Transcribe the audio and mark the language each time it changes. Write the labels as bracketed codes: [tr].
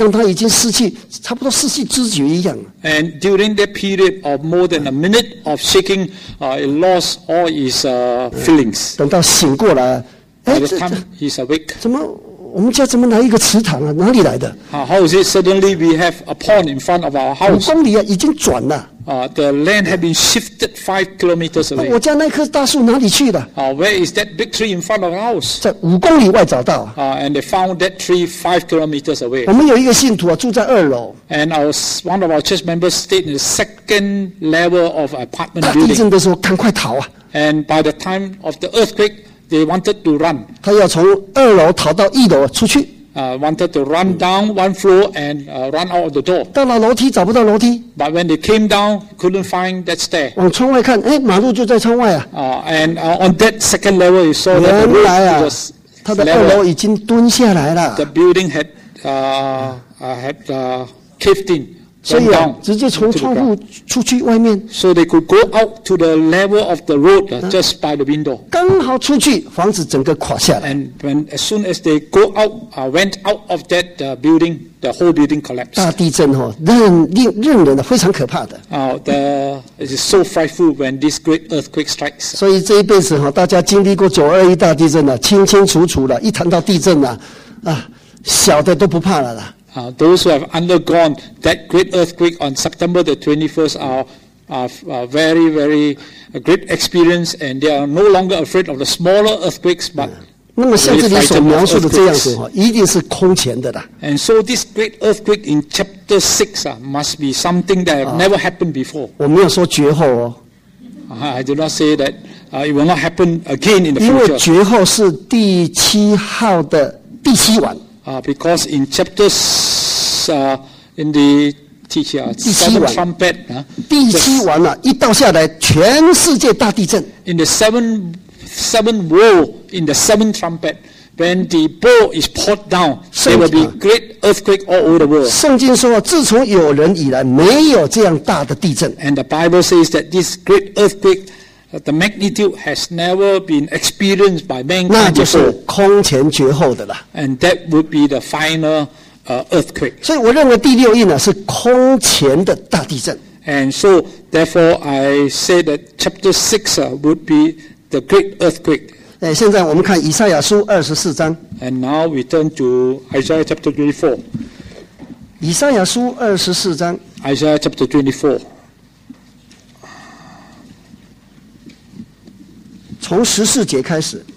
[zh] 那么在大地震一分多钟，这个大地震让它已经失去差不多失去知觉一样。 [en] And during that period of more than a minute of shaking, it lost all its feelings. [zh] 等到醒过来，哎， [en] By the time he's awake. [zh] 怎么我们家怎么来一个池塘啊？哪里来的？ [en] How is it suddenly we have a pond in front of our house? [zh] 5公里啊，已经转了。 [en] The land had been shifted 5 kilometers away. [zh] 我家那棵大树哪里去了？ [en] Where is that big tree in front of the house? [zh] 在5公里外找到。 [en] And they found that tree 5 kilometers away. [zh] 我们有一个信徒住在2楼。 [en] And one of our church members stayed in the second level of apartment building. [zh] 大地震的时候，赶快逃啊！ [en] And by the time of the earthquake, they wanted to run. [zh] 他要从2楼逃到1楼出去。 [en] Wanted to run down one floor and run out of the door. [zh] 到了楼梯找不到楼梯。 [en] But when they came down, couldn't find that stair. [zh] 往窗外看，哎，马路就在窗外啊。 [en] And on that second level, you saw that the road was level. [zh] 原来啊，他的二楼已经蹲下来了。 [en] The building had 15. [zh] 所以啊，直接从窗户出去外面。 [en] So they could go out to the level of the road, just by the window. [zh] 刚好出去，房子整个垮下来。 [en] And when as soon as they go out, went out of that building, the whole building collapsed. [zh] 大地震哦，任人非常可怕的。 [en] It is so frightful when this great earthquake strikes. [zh] 所以这一辈子哈，大家经历过921大地震了，清清楚楚了。一谈到地震啊，小的都不怕了啦。 [en] Those who have undergone that great earthquake on September the 21st are very, very a great experience, and they are no longer afraid of the smaller earthquakes, but And so this great earthquake in chapter 6 must be something that have never happened before. [zh] 我没有说绝后哦。 [en] I do not say that it will not happen again in the future. [zh] 因为绝后是第七号的第七晚。 [en] Because in chapters, in the teacher, seventh trumpet, [zh] 第七晚了，一到下来，全世界大地震。 [en] In the seventh bowl, in the seventh trumpet, when the bowl is poured down, there will be great earthquake all over the world. [zh] 圣经说，自从有人以来，没有这样大的地震。 [en] And the Bible says that this great earthquake, the magnitude has never been experienced by mankind before. [zh] 那就是空前绝后的了。 [en] And that would be the final earthquake. [zh] 所以我认为第六印是空前的大地震。 [en] And so, therefore, I say that chapter 6 would be the great earthquake. [zh] 现在我们看以赛亚书24章。 [en] And now we turn to Isaiah chapter 24. [zh] 以赛亚书24章。 [en] Isaiah chapter 24. [zh] 从十四节开始